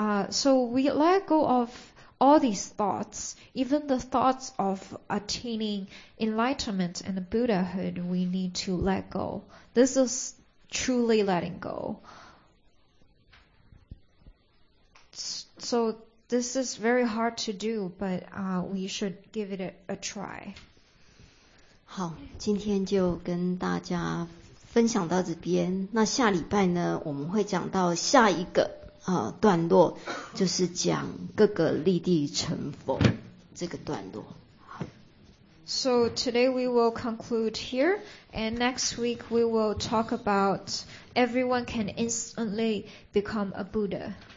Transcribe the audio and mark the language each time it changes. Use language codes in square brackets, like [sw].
[en] So we let go of all these thoughts, even the thoughts of attaining enlightenment and Buddhahood, we need to let go. This is truly letting go. So this is very hard to do, but we should give it a try. [zh] 好，今天就跟大家分享到这边。那下礼拜呢，我们会讲到下一个段落，就是讲各个立地成佛这个段落。 [en] So today we will conclude here, and next week we will talk about everyone can instantly become a Buddha.